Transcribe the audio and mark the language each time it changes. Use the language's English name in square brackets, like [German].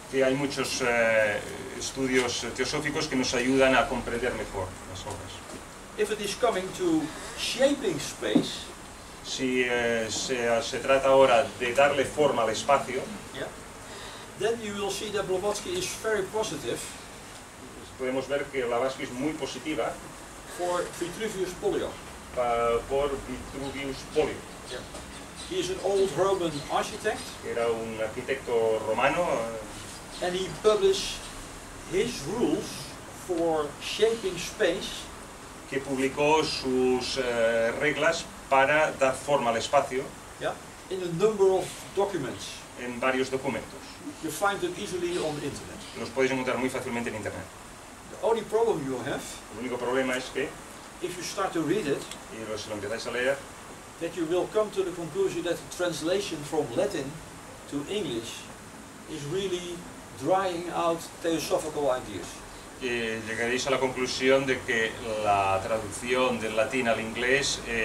[Spanish] Que hay muchos estudios teosóficos que nos ayudan a comprender mejor las obras. [English] If it is coming to shaping space, [Spanish] si se trata ahora de darle forma al espacio, [English] yeah, then you will see that Blavatsky is very positive. [Spanish] Podemos ver que Blavatsky es muy positiva. [English] For Vitruvius Pollio. [Spanish] Por Vitruvius Pollio. [English] Yeah. He is an old Roman architect. [Spanish] Era un arquitecto romano. [English] And he published his rules for shaping space. [Spanish] Que publicó sus reglas para dar forma al espacio. [English] Yeah. In a number of documents. [Spanish] En varios documentos. [English] You find them easily on the internet. [Spanish] Los podéis encontrar muy fácilmente en internet. [English] The only problem you have. [Spanish] El único problema es que. [English] If you start to read it, [Spanish] y si lo empezáis a leer, [English] that you will come to the conclusion that the translation from Latin to English is really drying out theosophical ideas. [Spanish] Y llegaréis a la conclusión de que la traducción del latín al inglés